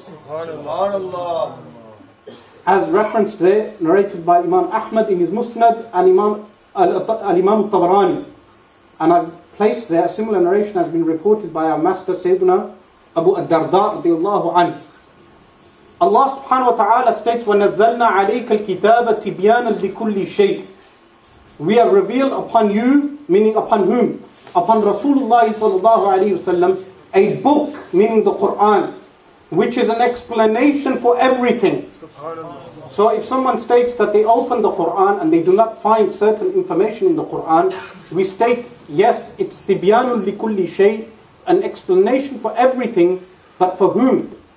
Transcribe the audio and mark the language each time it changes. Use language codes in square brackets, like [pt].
[en] Subhanallah. As referenced there, narrated by Imam Ahmad in his Musnad and Imam al-Tabarani. And I've placed there, a similar narration has been reported by our master Sayyiduna Abu al-Darda radiallahu anhu. Allah subhanahu wa ta'ala states, [ar] وَنَزَّلْنَا عَلَيْكَ الْكِتَابَ تِبْيَانًا لِكُلِّ شَيْءٍ. [en] We have revealed upon you, meaning upon whom? Upon Rasulullah sallallahu alayhi wa sallam, a book, meaning the Qur'an, which is an explanation for everything. So if someone states that they open the Qur'an and they do not find certain information in the Qur'an, we state, yes, it's tibyanun li kulli shay, an explanation for everything, but for whom?